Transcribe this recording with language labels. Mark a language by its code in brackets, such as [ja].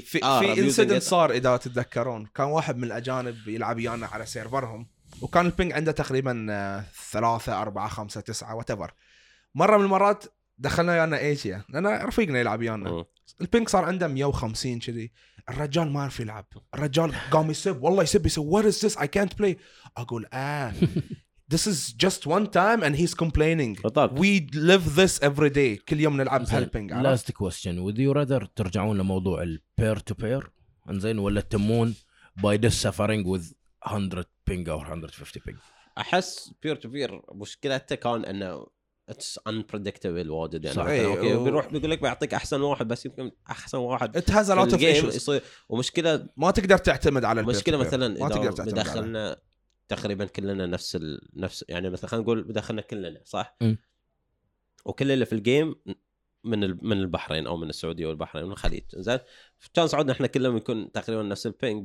[ar] في انسيدنت صار اذا تتذكرون كان واحد من الاجانب يلعب يانا على سيرفرهم وكان البينج عنده تقريبا 3 4 5 9 واتيفر. مره من المرات دخلنا يانا ايجيا لان رفيقنا يلعب يانا البينج صار عنده 150 كذي. الرجال ما عرف يلعب الرجال قام يسب والله يسب يسب [en] what is this I can't play. أقول this is just one time and he's complaining we live this every day [ar] كل يوم نلعب هالبينج. [en] last question would you rather [ar] ترجعون لموضوع [en] peer to peer [ar] انزين ولا تمون [en] by this suffering with 100 ping or 150 ping. [ar] أحس peer to peer مشكلته كان أنه [en] it's unpredictable [ar] واجد يعني صحيح. اوكي بيروح بيقول لك بيعطيك احسن واحد بس يمكن احسن واحد [en] it has a lot of issues [ar] ومشكله ما تقدر تعتمد على المشكله مثلا اذا دخلنا تقريبا كلنا نفس يعني مثلا خلينا نقول دخلنا كلنا صح وكل اللي في الجيم من البحرين او من السعوديه والبحرين من الخليج زين كان صعود احنا كلنا بنكون تقريبا نفس البينج.